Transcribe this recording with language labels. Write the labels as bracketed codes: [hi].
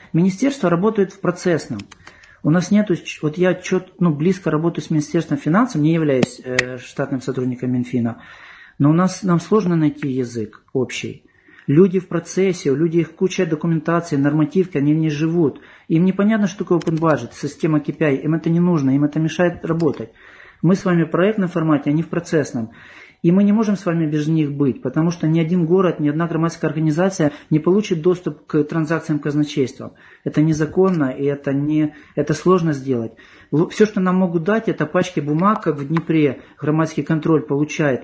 [uk] Міністерство працює в процесному. У нас [ru] нету, [uk] от я близько працюю з Міністерством фінансів, не є штатним [ru] сотрудником [uk] Мінфіна, але у нас нам складно знайти [ru] язик общий. [uk] Люди в процесі, у людей куча документації, нормативки, вони в ній живуть. Їм [ru] непонятно, [uk] що таке open budget, система KPI, їм це не потрібно, їм це мішає працювати. Ми з вами в проєктному форматі, а не в процесному. [ru] И мы не можем с вами без них быть, потому что ни один город, ни одна громадская организация не получит доступ к транзакциям казначейства. Это незаконно, и это сложно сделать. Все, что нам могут дать, это пачки бумаг, как в Днепре громадский контроль получает.